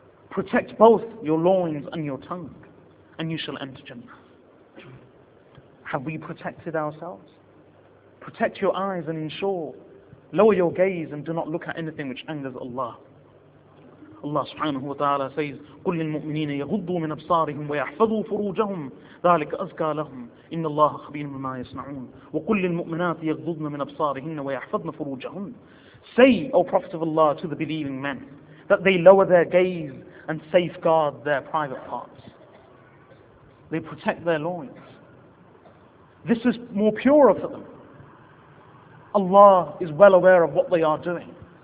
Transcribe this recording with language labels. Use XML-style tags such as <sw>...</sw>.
<en>Protect both your loins and your tongue, and you shall enter Jannah. Have we protected ourselves? Protect your eyes and ensure, lower your gaze and do not look at anything which angers Allah. Allah subhanahu wa ta'ala says,</en> <ar>قُلْ لِلْمُؤْمِنِينَ يَغُضُّوا مِنْ أَبْصَارِهِمْ وَيَحْفَظُوا فُرُوجَهُمْ ذَلِكَ أَزْكَى لَهُمْ إِنَّ اللَّهَ خَبِيرٌ بِمَا يَصْنَعُونَ وَقُلْ لِلْمُؤْمِنَاتِ يَغْضُضْنَ مِنْ أَبْصَارِهِنَّ وَيَحْفَظْنَ فُرُوجَهُمْ.</ar> <en>Say, O Prophet of Allah, to the believing men, that they lower their gaze and safeguard their private parts. They protect their loins. This is more purer for them. Allah is well aware of what they are doing.</en>